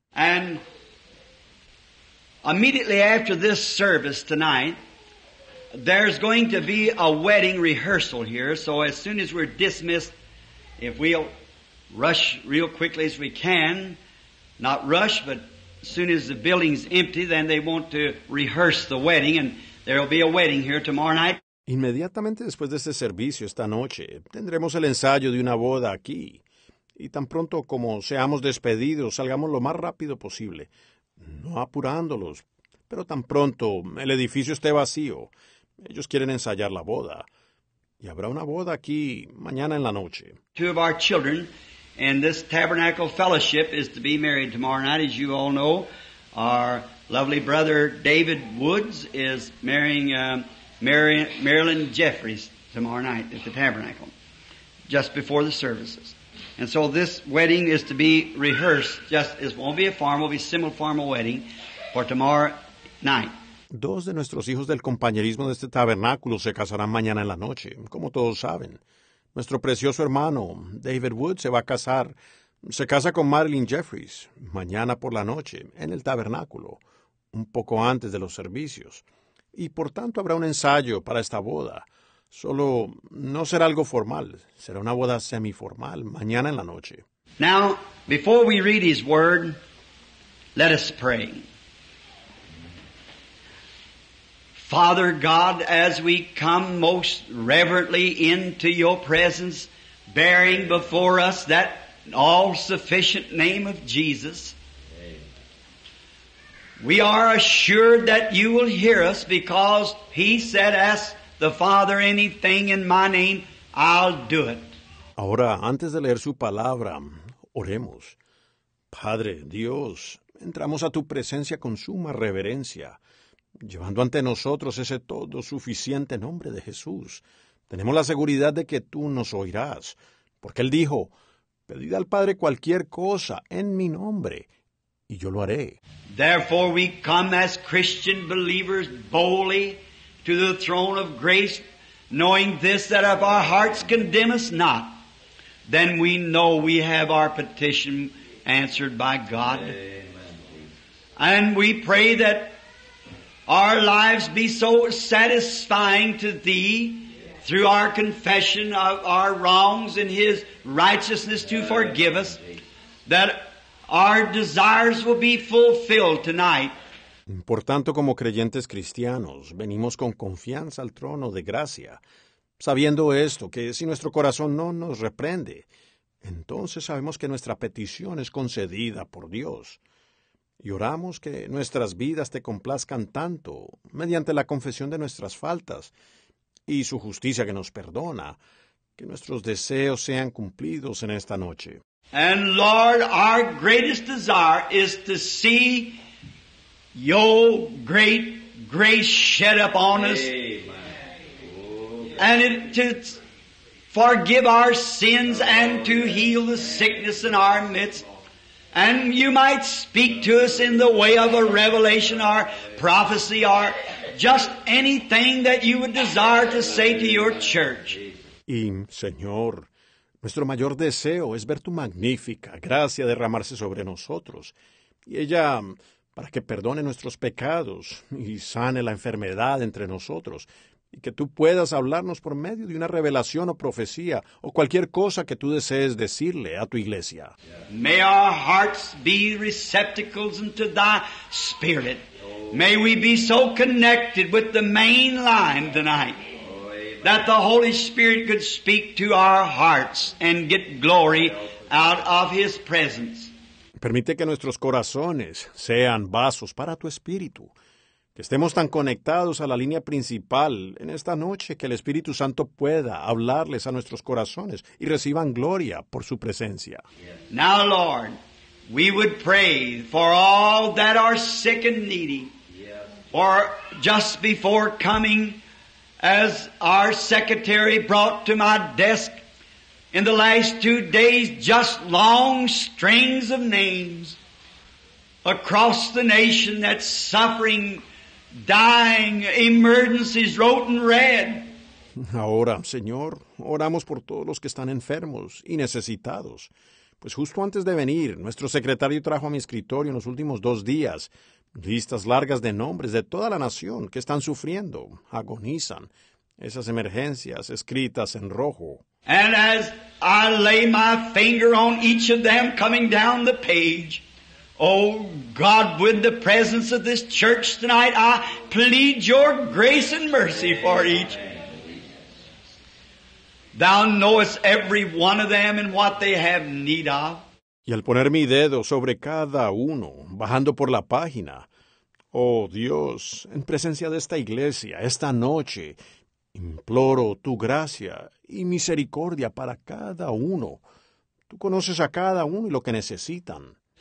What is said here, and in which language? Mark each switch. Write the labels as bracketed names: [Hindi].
[English] And immediately after this service tonight, there's going to be a wedding rehearsal here, so as soon as we're dismissed, if we'll rush real quickly as we can, not rush, but as soon as the building's empty, then they want to rehearse the wedding, and there'll be a wedding here tomorrow night. [Spanish] Inmediatamente después de este servicio, esta noche, tendremos el ensayo de una boda aquí. Y tan pronto como seamos despedidos, salgamos lo más rápido posible, no apurándolos. Pero tan pronto el edificio esté vacío, ellos quieren ensayar la boda. Y habrá una boda aquí mañana en la noche. [English] Two of our children in this tabernacle fellowship is to be married tomorrow night, as you all know. Our lovely brother David Woods is marrying Marilyn Jeffries tomorrow night at the tabernacle, just before the services. And so this wedding is to be rehearsed. Just it won't be a formal, it'll be a simple formal wedding for tomorrow night. [Spanish] Dos de nuestros hijos del compañerismo de este tabernáculo se casarán mañana en la noche, como todos saben. Nuestro precioso hermano David Wood se va a casar. Se casa con Marilyn Jeffries mañana por la noche en el tabernáculo, un poco antes de los servicios. Y por tanto habrá un ensayo para esta boda. Solo no será algo formal, será una boda semiformal mañana en la noche. [English] Now, before we read his word, let us pray. Father God, as we come most reverently into your presence, bearing before us that all-sufficient name of Jesus, we are assured that you will hear us because he said, ask the Father anything in my name, I'll do it. [Spanish] Ahora, antes de leer su palabra, oremos. Padre Dios, entramos a tu presencia con suma reverencia, llevando ante nosotros ese todo suficiente nombre de Jesús. Tenemos la seguridad de que tú nos oirás, porque él dijo, pedid al Padre cualquier cosa en mi nombre, y yo lo haré. [English] Therefore we come as Christian believers boldly to the throne of grace, knowing this, that if our hearts condemn us not, then we know we have our petition answered by God. Amen. And we pray that our lives be so satisfying to thee through our confession of our wrongs and his righteousness to forgive us, that our desires will be fulfilled tonight. [Spanish] Por tanto, como creyentes cristianos, venimos con confianza al trono de gracia, sabiendo esto, que si nuestro corazón no nos reprende, entonces sabemos que nuestra petición es concedida por Dios. Y oramos que nuestras vidas te complazcan tanto, mediante la confesión de nuestras faltas y su justicia que nos perdona, que nuestros deseos sean cumplidos en esta noche. [English] And Lord, our greatest desire is to see your great grace shed upon us. Amen. And to forgive our sins and to heal the sickness in our midst. And you might speak to us in the way of a revelation or prophecy or just anything that you would desire to say to your church. [Spanish] Y, Señor, nuestro mayor deseo es ver tu magnífica gracia derramarse sobre nosotros. Y ella, para que perdone nuestros pecados y sane la enfermedad entre nosotros. Y que tú puedas hablarnos por medio de una revelación o profecía o cualquier cosa que tú desees decirle a tu iglesia. [English] May our hearts be receptacles unto thy spirit. May we be so connected with the main line tonight that the Holy Spirit could speak to our hearts and get glory out of his presence. [Spanish] Permite que nuestros corazones sean vasos para tu espíritu. Que estemos tan conectados a la línea principal en esta noche que el Espíritu Santo pueda hablarles a nuestros corazones y reciban gloria por su presencia. [English] Now, Lord, we would pray for all that are sick and needy, for just before coming, as our secretary brought to my desk in the last 2 days, just long strings of names across the nation that's suffering, dying, emergencies wrote in red. [Spanish] Ahora, Señor, oramos por todos los que están enfermos y necesitados. Pues justo antes de venir, nuestro secretario trajo a mi escritorio en los últimos 2 días listas largas de nombres de toda la nación que están sufriendo, agonizan, esas emergencias escritas en rojo. [English] And as I lay my finger on each of them coming down the page, oh God, with the presence of this church tonight, I plead your grace and mercy for each. Thou knowest every one of them and what they have need of. [Spanish] Y al poner mi dedo sobre cada uno, bajando por la página, oh Dios, en presencia de esta iglesia, esta noche, imploro tu gracia y misericordia para cada uno. Tú conoces a cada uno y lo que necesitan.